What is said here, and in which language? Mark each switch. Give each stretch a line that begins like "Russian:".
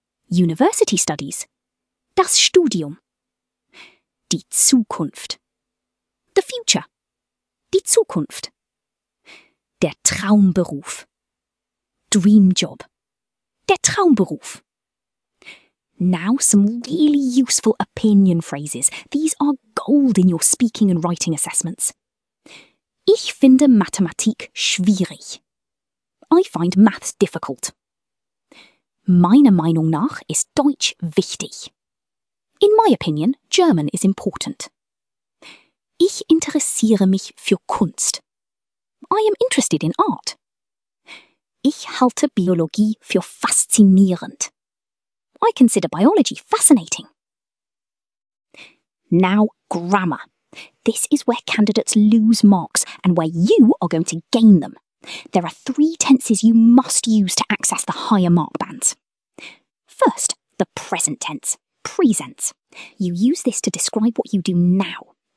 English: University studies.
German: Das Studium. Die Zukunft.
English: The future.
German: Die Zukunft. Der Traumberuf.
English: Dream job.
German: Der Traumberuf.
English: Now some really useful opinion phrases. These are gold in your speaking and writing assessments.
German: Ich finde Mathematik schwierig.
English: I find maths difficult.
German: Meiner Meinung nach ist Deutsch wichtig.
English: In my opinion, German is important.
German: Ich interessiere mich für Kunst.
English: I am interested in art.
German: Ich halte Biologie für faszinierend.
English: I consider biology fascinating. Now, grammar. This is where candidates lose marks and where you are going to gain them. There are three tenses you must use to access the higher mark bands. First, the present tense, präsens. You use this to describe what you do now.